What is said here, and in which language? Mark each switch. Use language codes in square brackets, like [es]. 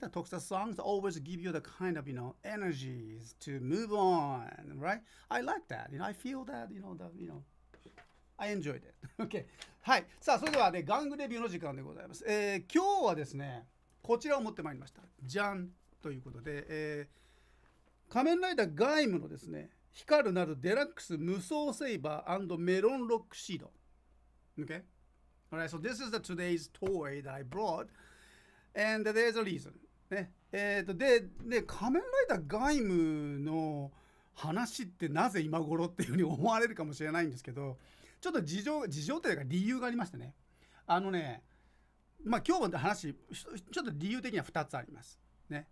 [en] The Tokusatsu songs always give you the kind of, you know, energies to move on, right? I like that, you know, I feel that, you know, the, you know, I enjoyed it. Okay. はい。 [ja] さあ、それではね、玩具レビューの時間でございます。今日はですね、こちらを持ってまいりました。じゃんということで、仮面ライダーガイムのですね、光るなるデラックス無双セイバー&メロンロックシード。 [en] Okay? Alright, so this is the today's toy that I brought. And there's a reason. ね。 [ja] で、ね、仮面ライダーガイムの話ってなぜ今頃っていうふうに思われるかもしれないんですけど、ちょっと事情というか理由がありましてね。あのね、まあ今日の話、ちょっと理由的には2つあります。ね。